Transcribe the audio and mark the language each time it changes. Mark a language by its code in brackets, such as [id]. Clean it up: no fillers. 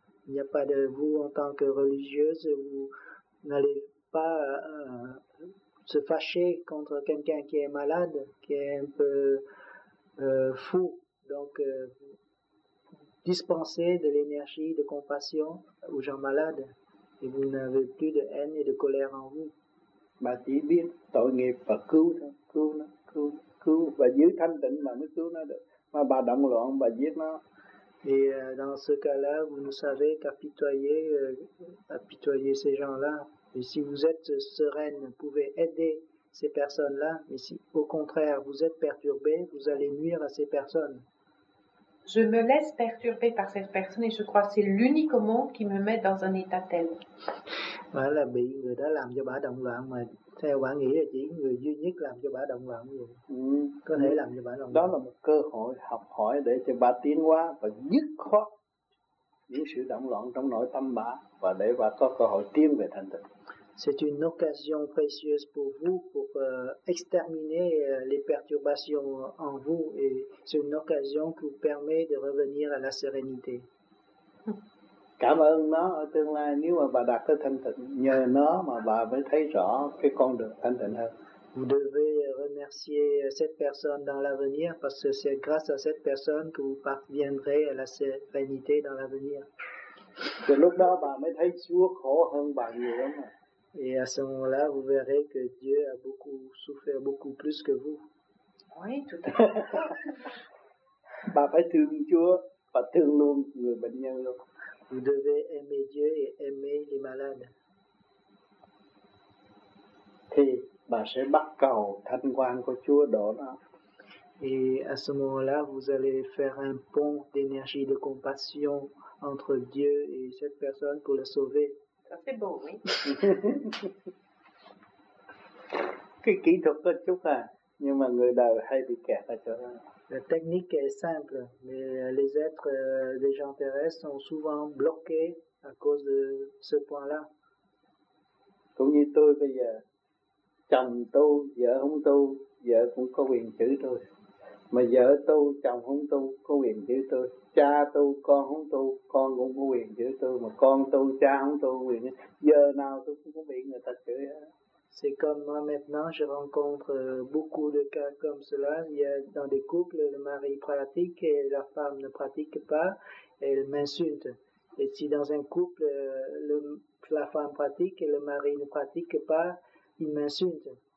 [fr] Il n'y a pas de vous en tant que religieuse, vous n'allez pas se fâcher contre quelqu'un qui est malade, qui est un peu fou. Donc, dispensez de l'énergie, de compassion aux gens malades et vous n'avez plus de haine et de colère en vous. [vi] Bà chỉ biết tội nghiệp và cứu nó, cứu nó, cứu, cứu và giữ thanh tịnh mà mới cứu nó được. Mà bà động loạn, bà giết nó. [fr] Et dans ce cas-là, vous ne savez qu'apitoyer ces gens-là. Et si vous êtes sereine, vous pouvez aider ces personnes-là. Mais si au contraire, vous êtes perturbé, vous allez nuire à ces personnes. Je me laisse perturber par cette personne et je crois que c'est l'unique au monde qui me met dans un état tel. [vi] Bà là bị người đó làm cho bà động loạn, mà theo bà nghĩ là chỉ người duy nhất làm cho bà động loạn vậy. Có thể làm cho bà động loạn. Đó là một cơ hội học hỏi để cho bà tiến hóa và dứt khoát những sự động loạn trong nội tâm bà và để bà có cơ hội tiến về thành tựu. [fr] C'est une occasion précieuse pour vous pour exterminer les perturbations en vous et c'est une occasion qui vous permet de revenir à la sérénité. [vi] Cảm ơn nó ở tương lai nếu mà bà đạt tới thanh tịnh, nhờ nó mà bà mới thấy rõ cái con đường thanh tịnh hơn. [fr] Vous devez remercier cette personne dans l'avenir parce que c'est grâce à cette personne que vous parviendrez à la sérénité dans l'avenir. [vi] Thì lúc đó bà mới thấy Chúa khổ hơn bà nhiều lắm. [fr] Et à ce moment-là, vous verrez que Dieu a beaucoup souffert, beaucoup plus que vous. Oui, tout à fait. Bah, tout le monde, pas tout le monde, mais bien là. Vous devez aimer Dieu et aimer les malades. [vi] Thì bà sẽ bắt cầu thanh quan của Chúa đổ đó. [fr] Et à ce moment-là, vous allez faire un pont d'énergie de compassion entre Dieu et cette personne pour la sauver. Ça c'est beau, oui. [vi] Cái kỹ thuật có chút à, nhưng mà người đời hay bị kẹt ở chỗ đó. [fr] La technique est simple, mais les êtres des gens terrestres sont souvent bloqués à cause de ce point-là. [vi] Cũng như tôi bây giờ, chồng tu, vợ không tu, vợ cũng có quyền chữ tôi. Mà vợ tu, chồng không tu, có quyền chữ tôi. Cha tu, con không tu, con cũng có quyền chữ tôi. Mà con tu, cha không tu, quyền giờ nào tôi cũng có bị người ta chửi hết. [fr] C'est comme moi maintenant, je rencontre beaucoup de cas comme cela. Il y a dans des couples, le mari pratique et la femme ne pratique pas, elle m'insulte. Et si dans un couple, la femme pratique et le mari ne pratique pas, il m'insulte.